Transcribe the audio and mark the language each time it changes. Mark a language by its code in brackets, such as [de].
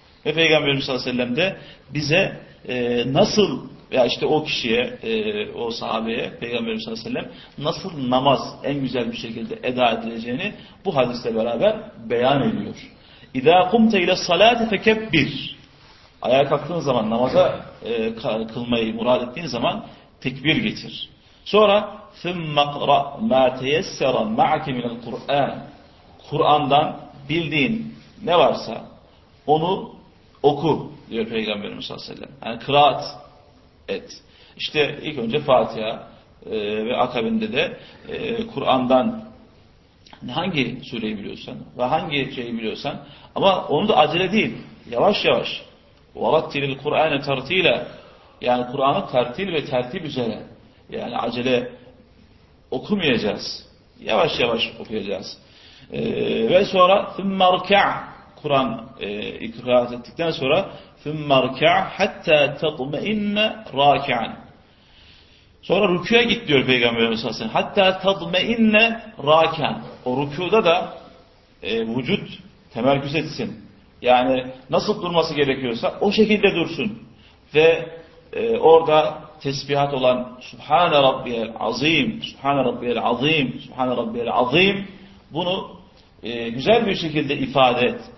[tr] Ve Peygamberimiz sallallahu aleyhi ve sellem de bize nasıl veya işte o kişiye, o sahabeye, Peygamberimiz sallallahu aleyhi ve sellem nasıl namaz en güzel bir şekilde eda edileceğini bu hadisle beraber beyan ediyor. [ar] اِذَا قُمْتَ اِلَى الصَّلَاةِ فَكَبِّرْ. [tr] Ayağa kalktığın zaman, namaza kılmayı murad ettiğin zaman tekbir getir. Sonra [ar] ثُمَّ اقْرَأْ مَا تَيَسَّرَ مَعَكِ مِنَ الْقُرْآنِ. [tr] Kur'an'dan bildiğin ne varsa onu oku diyor Peygamberimiz sallallahu aleyhi ve sellem. Yani kıraat et. İşte ilk önce Fatiha ve akabinde de Kur'an'dan hangi sureyi biliyorsan ve hangi şeyi biliyorsan, ama onu da acele değil, yavaş yavaş. [ar] وَرَتِّلِ الْقُرْآنَ تَرْتِيلًا. [tr] Yani Kur'an'ı tertil ve tertip üzere, yani acele okumayacağız. Yavaş yavaş okuyacağız. Ve sonra [ar] ثُمَّ ارْكَعْ. [tr] Kur'an ikraat ettikten sonra [ar] ثُمَّ ارْكَعْ حَتَّى تَطْمَئِنَّ رَاكِعًا. [tr] Sonra rükûya git diyor Peygamberimiz sallallahu aleyhi ve sellem. [ar] Hatta tadmeinne rakan. [tr] O rükûda da vücut temerküz etsin. Yani nasıl durması gerekiyorsa o şekilde dursun. Ve orada tesbihat olan Sübhane Rabbiyel Azim, Sübhane Rabbiyel Azim, Sübhane Rabbiyel Azim, bunu güzel bir şekilde ifade et.